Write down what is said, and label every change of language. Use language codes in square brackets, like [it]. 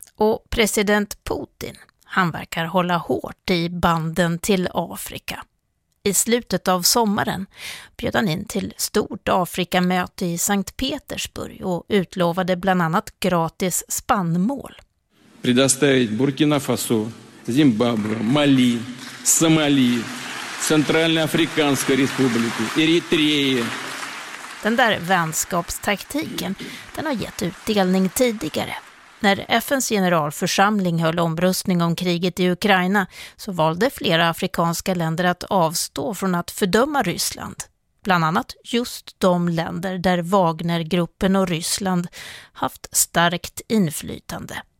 [sv] Och president Putin, han verkar hålla hårt i banden till Afrika. I slutet av sommaren bjöd han in till stort Afrikamöte i Sankt Petersburg och utlovade bland annat gratis spannmål. [ru] Предоставить Буркина Фасо, Зимбабве, Мали, Сомали, Центральноафриканской республике, Эритрее. [sv] Den där vänskapstaktiken, den har gett utdelning tidigare. När FNs generalförsamling höll omröstning om kriget i Ukraina så valde flera afrikanska länder att avstå från att fördöma Ryssland. Bland annat just de länder där Wagnergruppen och Ryssland haft starkt inflytande.